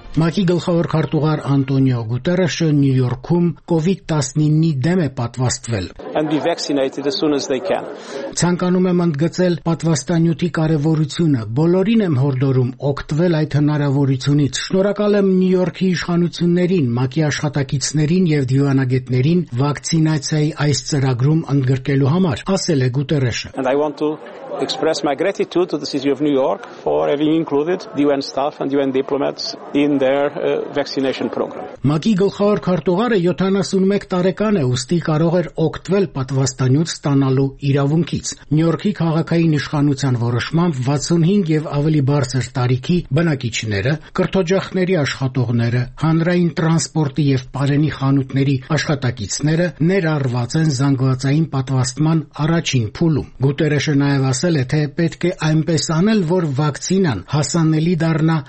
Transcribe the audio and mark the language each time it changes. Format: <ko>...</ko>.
<hy>ՄԱԿ-ի գլխավոր քարտուղար Անտոնիո Գուտերեշը Նյու Յորքում COVID-19-ի դեմ է պատվաստվել։ Ցանկանում եմ ընդգծել պատվաստանյութի կարևորությունը, բոլորին եմ հորդորում օգտվել այդ հնարավորությունից։ Շնորհակալ եմ Նյու Յորքի իշխանություններին, ՄԱԿ-ի աշխատակիցներին և դիվանագետներին վակցինացիայի այս ծրագրում ընդգրկելու համար, ասել է Գուտերեշը։</hy> <en>Express my gratitude to the city of New York for having included the UN staff and UN diplomats in their vaccination program.</en> <hy>ՄԱԿ-ի գլխավոր քարտուղարը 71 տարեկան է, ուստի կարող էր օգտվել պատվաստանյութ ստանալու իրավունքից։ Նյու Յորքի քաղաքային իշխանության որոշմամբ 65 եւ ավելի բարձր տարիքի բնակիչները, կրթօջախների աշխատողները, հանրային տրանսպորտի եւ պարենի խանութների աշխատակիցները ներառված են զանգվածային պատվաստման առաջին փուլում։ Գուտերեշը նաեւ ասել է, թե պետք է այնպես անել, որ վակցինան հասանելի դառնա</hy>